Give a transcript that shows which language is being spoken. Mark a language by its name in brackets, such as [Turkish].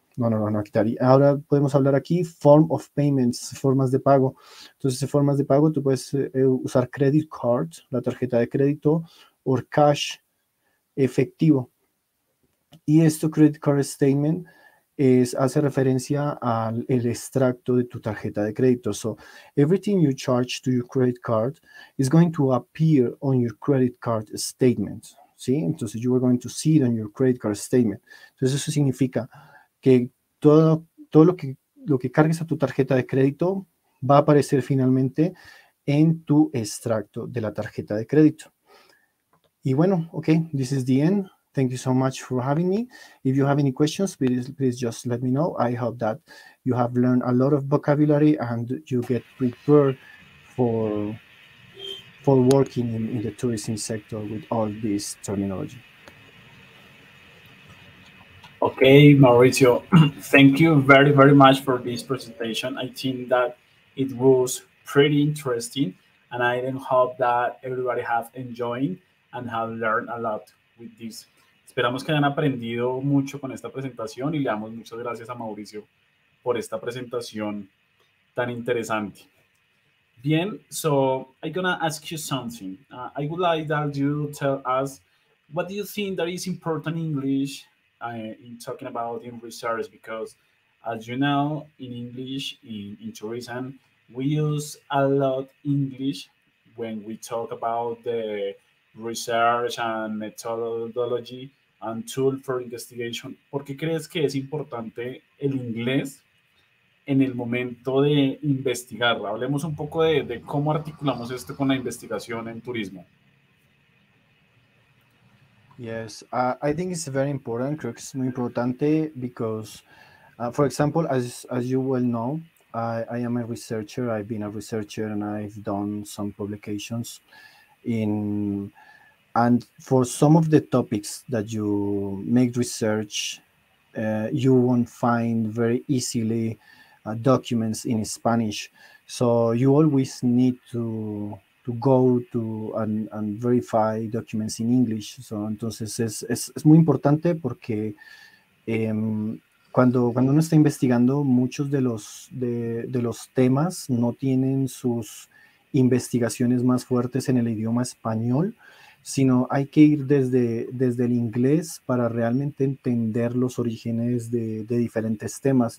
[Spanish] No, quitar. Y ahora podemos hablar aquí, [English] form of payments, [Spanish] formas de pago. Entonces, formas de pago, tú puedes usar credit card, la tarjeta de crédito, o cash efectivo. Y esto, credit card statement, hace referencia al el extracto de tu tarjeta de crédito. [English] So, everything you charge to your credit card is going to appear on your credit card statement. ¿Sí? Entonces, you are going to see it on your credit card statement. [Spanish] Entonces, eso significa que todo lo que cargues a tu tarjeta de crédito va a aparecer finalmente en tu extracto de la tarjeta de crédito. Y bueno, [English] okay, this is the end. Thank you so much for having me. If you have any questions, please just let me know. I hope that you have learned a lot of vocabulary and you get prepared for working in the tourism sector with all this terminology. Okay, Mauricio, thank you very, very much for this presentation. I think that it was pretty interesting and I hope that everybody have enjoyed and have learned a lot with this. [Spanish] Esperamos que hayan aprendido mucho con esta presentación y le damos muchas gracias a Mauricio por esta presentación tan interesante. [English] Bien, so I'm going to ask you something. I would like that you tell us, what do you think that is important in English in talking about in research? Because as you know, in English, in tourism, we use a lot English when we talk about the research and methodology and tool for investigation. [Spanish] ¿Por qué crees que es importante el inglés en el momento de investigar? Hablemos un poco de cómo articulamos esto con la investigación en turismo. [English] Yes, I think it's very important. [Spanish] Creo que es muy importante [English] because, for example, as you well know, I am a researcher. I've been a researcher and I've done some publications in... And for some of the topics that you make research you won't find very easily documents in Spanish. So you always need to go to and verify documents in English. [Spanish] So entonces es muy importante porque cuando uno está investigando, muchos de los temas no tienen sus investigaciones más fuertes en el idioma español, sino hay que ir desde el inglés para realmente entender los orígenes de diferentes temas.